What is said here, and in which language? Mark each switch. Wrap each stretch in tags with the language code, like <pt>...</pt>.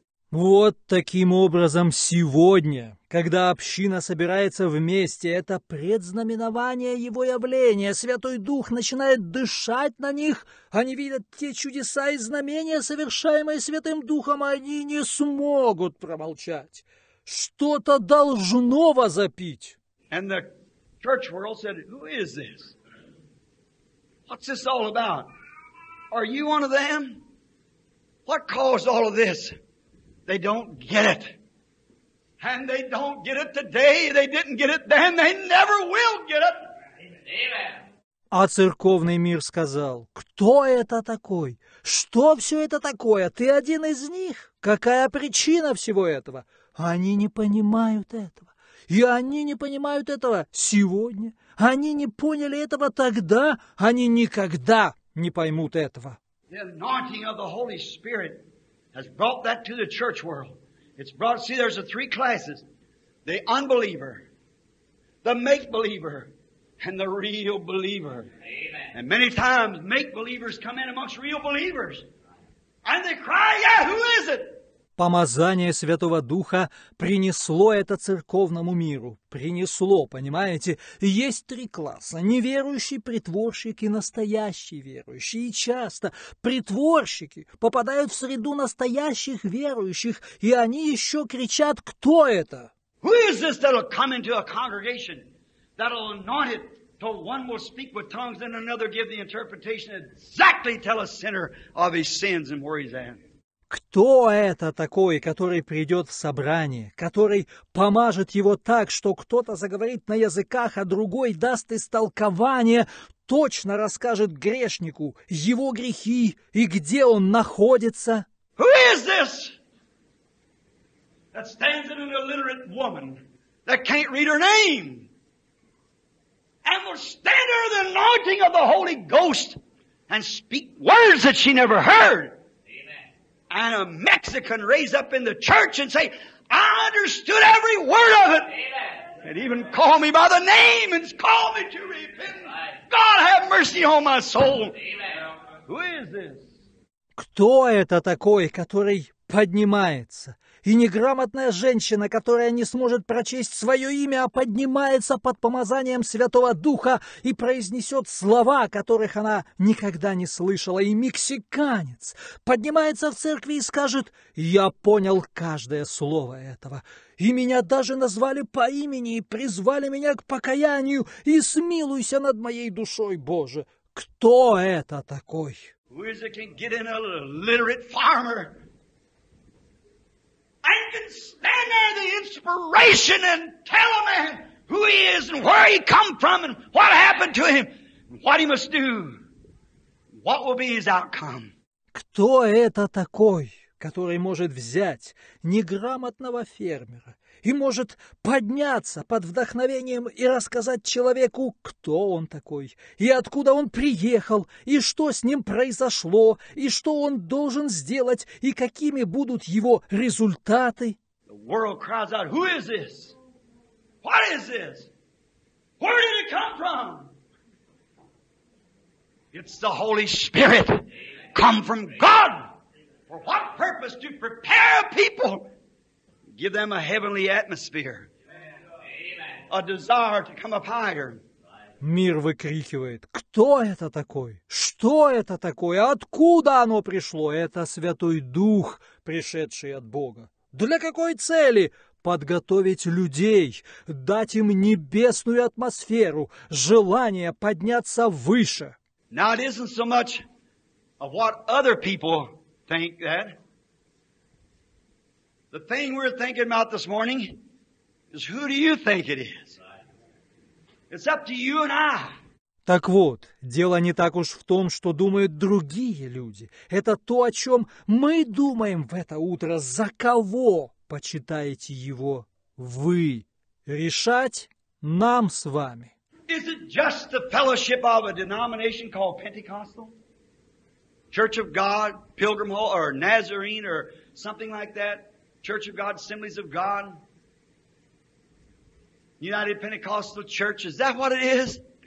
<ru>Вот таким образом сегодня, когда община собирается вместе, это предзнаменование его явления. Святой Дух начинает дышать на них. Они видят те чудеса и знамения, совершаемые Святым Духом. Они не смогут промолчать. Что-то должно возопить.</ru> <en>And the church world said, who is this? What's this all about? Are you one of them? What caused all of this? They don't get it. And they don't get it today. They didn't get it then. They never will get it. Amen.</en> <ru>А церковный мир сказал: кто это такой? Что все это такое? Ты один из них? Какая причина всего этого? Они не понимают этого. И они не понимают этого сегодня. Они не поняли этого тогда. Они никогда не поймут этого.</ru> <en>The anointing of the Holy Spirit has brought that to the church world. It's brought, see, there's a three classes. The unbeliever, the make-believer, and the real believer. Amen. And many times make-believers come in amongst real believers. And they cry, yeah, who is it?</en> <ru>Помазание Святого Духа принесло это церковному миру. Принесло, понимаете? Есть три класса. Неверующий, притворщик и настоящий верующий. И часто притворщики попадают в среду настоящих верующих, и они еще кричат: кто это?</ru> <en>Who is this that'll come into a congregation that'll anoint it till one will speak with tongues and another give the interpretation exactly tell a sinner of his sins and where he's at?</en> <ru>Кто это такой, который придет в собрание, который помажет его так, что кто-то заговорит на языках, а другой даст истолкование, точно расскажет грешнику его грехи и где он находится?</ru> <en>Who is this that stands in an illiterate woman that can't read her name and will stand under the anointing of the Holy Ghost and speak words that she never heard? And a Mexican raise up in the church and say, I understood every word of it. Amen. And even call me by the name and call me to repent. God have mercy on my soul. Amen. Who is this?</en> <ru>Кто это такой, который поднимается И неграмотная женщина, которая не сможет прочесть свое имя, а поднимается под помазанием Святого Духа и произнесет слова, которых она никогда не слышала. И мексиканец поднимается в церкви и скажет: «Я понял каждое слово этого. И меня даже назвали по имени и призвали меня к покаянию. И смилуйся над моей душой, Боже». Кто это такой?</ru> <en>Who is it can get in a literate farmer? I can stand there the inspiration and tell a man who he is and where he come from and what happened to him, what he must do, what will be his outcome.</en> <ru>Кто это такой, который может взять неграмотного фермера и может подняться под вдохновением и рассказать человеку, кто он такой, и откуда он приехал, и что с ним произошло, и что он должен сделать, и какими будут его результаты?</ru> <en>The world cries out, who is this? What is this? Where did it come from? It's the Holy Spirit come from God. For what purpose? To prepare a people. Give them a heavenly atmosphere, a desire to come up higher.</en> <ru>Мир выкрикивает: кто это такой? Что это такое? Откуда оно пришло? Это Святой Дух, пришедший от Бога. Для какой цели? Подготовить людей, дать им небесную атмосферу, желание подняться выше.</ru> <en>Now it isn't so much of what other people think that. The thing we're thinking about this morning is who do you think it is? It's up to you and I.</en> <ru>Так вот, дело не так уж в том, что думают другие люди. Это то, о чем мы думаем в это утро. За кого почитаете его вы? Решать нам с вами.</ru> <en>Is it just the fellowship of a denomination called Pentecostal? Church of God, Pilgrim Hall, or Nazarene, or something like that? Church of God, Assemblies of God, United Pentecostal Church, is that what it is?</en>